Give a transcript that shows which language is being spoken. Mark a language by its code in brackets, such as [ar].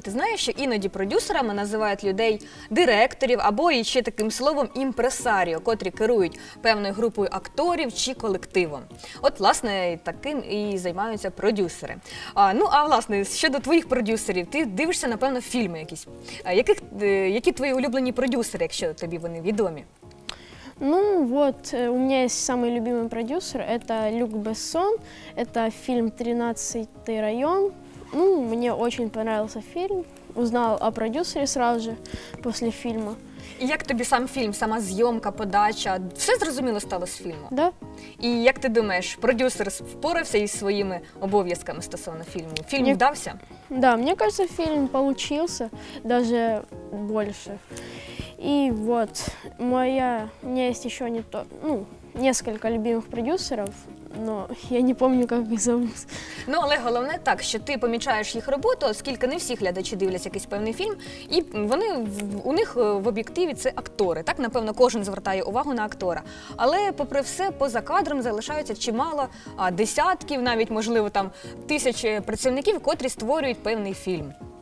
[uk] Ти знаєш, що іноді продюсерами називають людей директорів або ще таким словом «імпресаріо», котрі керують певною групою акторів чи колективом. От, власне, таким і займаються продюсери. Власне, щодо твоїх продюсерів, ти дивишся, напевно, фільми якісь. Які твої улюблені продюсери, якщо тобі вони відомі? [ru] У меня есть самый любимый продюсер, это Люк Бессон, это фильм «13-й район». Мне очень понравился фильм, узнал о продюсере сразу же после фильма. И как тебе сам фильм, сама съемка, подача, все [uk] зрозуміло [ru] стало с фильма? Да. И как ты думаешь, продюсер [uk] впорався із [ru] своими [uk] обов'язками [ru] стосовно фильма? Фильм вдався? Да, мне кажется, фильм получился даже больше. И вот, у меня есть еще несколько любимых продюсеров, но я не помню, как их зовут. [uk] Але головне так, що ти помічаєш їх роботу, оскільки не всі глядачі дивляться якийсь певний фільм, і вони, у них в об'єктиві це актори, так, напевно, кожен звертає увагу на актора. Але, попри все, поза кадром залишаються чимало десятків, навіть, можливо, там, тисяч працівників, котрі створюють певний фільм.